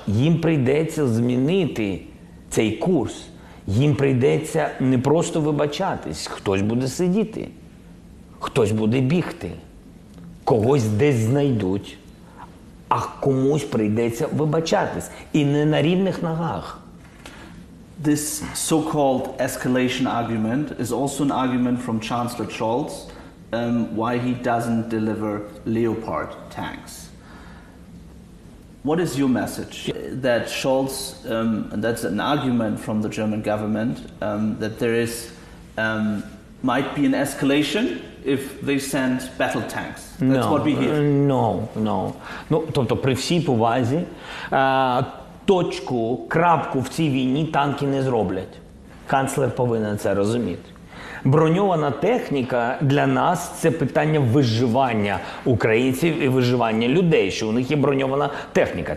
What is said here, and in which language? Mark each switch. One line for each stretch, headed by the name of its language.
Ukrainian: Їм прийдеться змінити цей курс. Їм прийдеться не просто вибачатись. Хтось буде сидіти, хтось буде бігти, когось десь знайдуть, а комусь прийдеться вибачатись. І не на рівних ногах.
English: This so-called escalation argument is also an argument from Chancellor Scholz why he doesn't deliver Leopard tanks. What is your message? That Scholz, and that's an argument from the German government, that there is might be an escalation if they send battle tanks. That's no, what we hear. No.
Ukrainian: Тобто при всій повазі, точку, крапку в цій війні танки не зроблять. Канцлер повинен це розуміти. Броньована техніка для нас – це питання виживання українців і виживання людей, що у них є броньована техніка.